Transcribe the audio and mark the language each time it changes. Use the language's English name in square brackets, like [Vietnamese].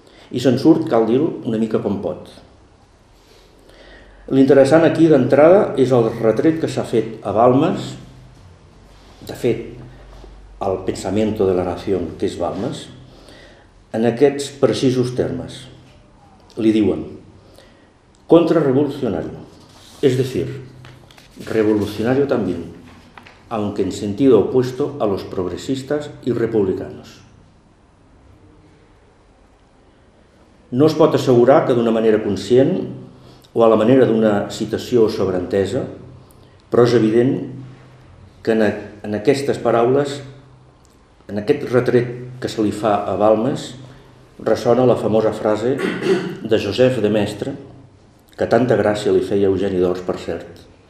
[Catalan] I se'n surt, cal dir-ho, una mica com pot. L'interessant aquí d'entrada és el retret que s'ha fet a Balmes, de fet, el Pensamiento de la Nación, que és Balmes, en aquests precisos termes. Li diuen [Spanish] contrarrevolucionario, [Catalan] és a dir, [Spanish] revolucionario també, aunque en sentido opuesto a los progresistas y republicanos. [Catalan] No es pot assegurar que d'una manera conscient o a la manera d'una citació sobreentesa, però és evident que en aquestes paraules, en aquest retret que se li fa a Balmes, ressona la famosa frase de Joseph de Maistre, que tanta gràcia li feia a Eugeni d'Ors, per cert.